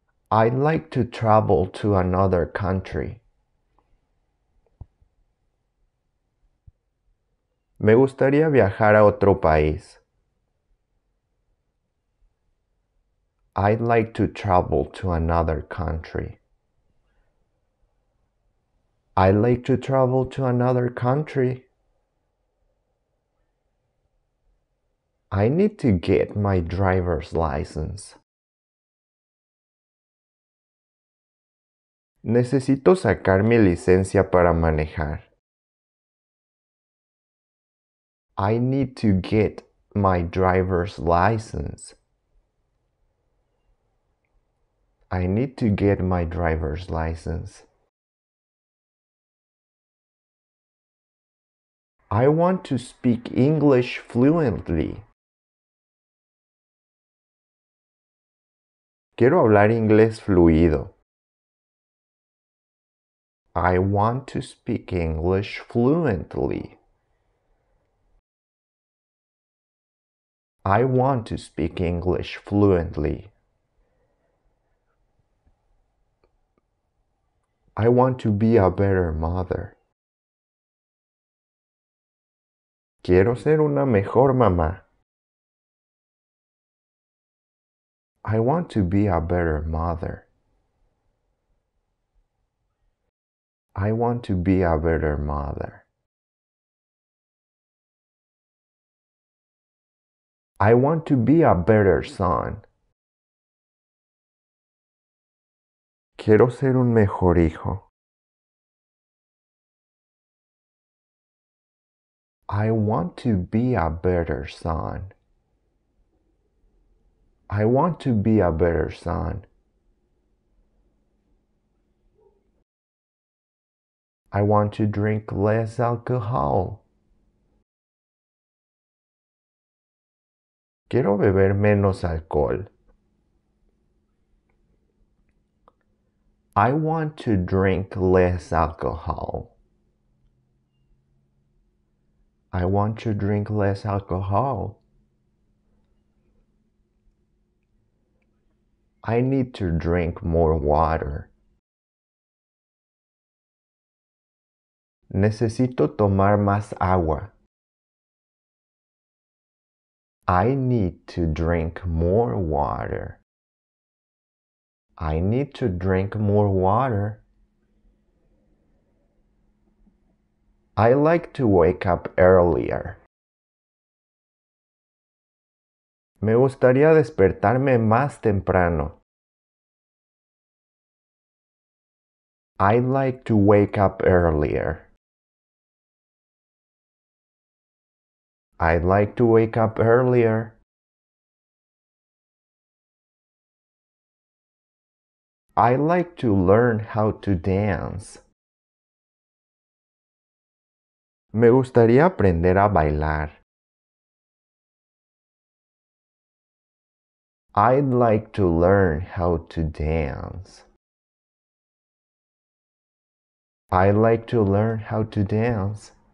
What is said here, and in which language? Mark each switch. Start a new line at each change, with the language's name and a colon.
English: I'd like to travel to another country.
Spanish: Me gustaría viajar a otro país.
English: I'd like to travel to another country. I'd like to travel to another country. I need to get my driver's license.
Spanish: Necesito sacar mi licencia para manejar.
English: I need to get my driver's license. I need to get my driver's license. I want to speak English fluently.
Spanish: Quiero hablar inglés fluido.
English: I want to speak English fluently. I want to speak English fluently. I want to be a better mother.
Spanish: Quiero ser una mejor mamá.
English: I want to be a better mother. I want to be a better mother. I want to be a better son.
Spanish: Quiero ser un mejor hijo.
English: I want to be a better son. I want to be a better son. I want to drink less alcohol.
Spanish: Quiero beber menos alcohol.
English: I want to drink less alcohol. I want to drink less alcohol. I need to drink more water.
Spanish: Necesito tomar más agua.
English: I need to drink more water. I need to drink more water. I like to wake up earlier.
Spanish: Me gustaría despertarme más temprano.
English: I like to wake up earlier. I like to wake up earlier. I like to learn how to dance.
Spanish: Me gustaría aprender a bailar.
English: I'd like to learn how to dance. I'd like to learn how to dance.